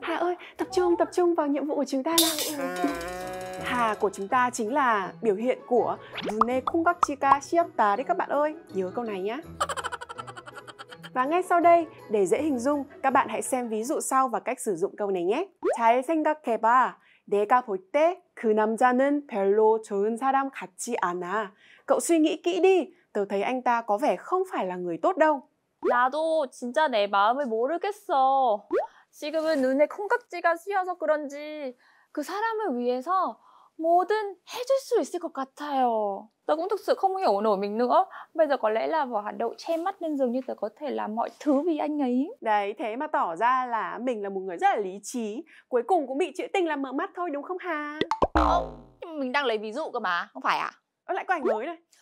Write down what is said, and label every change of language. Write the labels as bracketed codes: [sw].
[vi] Hà ơi, tập trung vào nhiệm vụ của chúng ta nào. Hà của chúng ta chính là biểu hiện của [ko] 눈에 콩깍지가 씌었다 [vi] đấy các bạn ơi. Nhớ câu này nhé. Và ngay sau đây, để dễ hình dung, các bạn hãy xem ví dụ sau và cách sử dụng câu này nhé. [ko] 잘 생각해봐. 내가 볼 때 그 남자는 별로 좋은 사람 같지 않아. [vi] Cậu suy nghĩ kỹ đi. Tớ thấy anh ta có vẻ không phải là người tốt đâu. [ko] 나도 진짜 내 마음을 모르겠어. 지금은 눈에 콩깍지가 씌어서 그런지 그 사람을 위해서 뭐든 해줄 수 있을 것 같아요. [vi] Tớ cũng thực sự không hiểu nổi mình nữa. Bây giờ có lẽ là vỏ hạt đậu che mắt nên dường như tớ có thể làm mọi thứ vì anh ấy. Đấy, thế mà tỏ ra là mình là một người rất là lý trí. Cuối cùng cũng bị chữ tình làm mở mắt thôi đúng không Hà? Nhưng mình đang lấy ví dụ cơ mà, không phải à? Ở lại có ảnh mới đây.